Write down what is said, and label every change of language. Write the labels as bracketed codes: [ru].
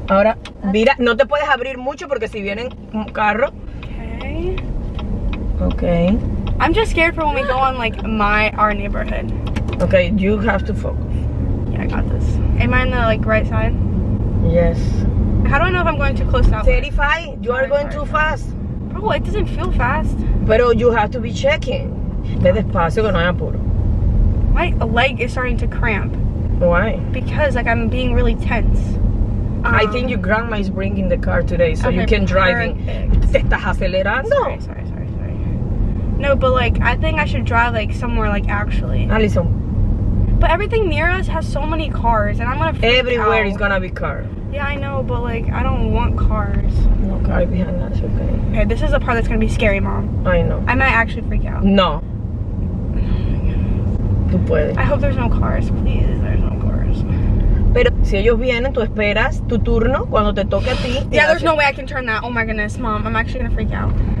[es] Ahora, mira, no te puedes abrir mucho porque si vienen un carro. [en] Okay. Okay. I'm just scared for when we go on like our neighborhood. Okay, you have to focus. Yeah, I got this. Am I on the like right side? Yes. How do I know if I'm going too close now? 35, you are going too fast. Oh, it doesn't feel fast. But you have to be checking. [es] Ve despacio que no hay apuro. [en] My leg is starting to cramp. Why? Because like I'm being really tense. I think your grandma is bringing the car today, so okay, you can drive in. Sorry. No, but like, I think I should drive like somewhere like actually. Alison. But everything near us has so many cars, and I'm gonna freak everywhere out. Is gonna be cars. Yeah, I know, but like, I don't want cars. No car behind us, okay? Okay, this is the part that's gonna be scary, Mom. I know. I might actually freak out. No. [es] Tú puedes. [en] I hope there's no cars, please. There's no cars. [es] Pero si ellos vienen, tú esperas tu turno cuando te toque a ti. [en] Yeah, there's no way I can turn that. Oh my goodness, Mom, I'm actually gonna freak out.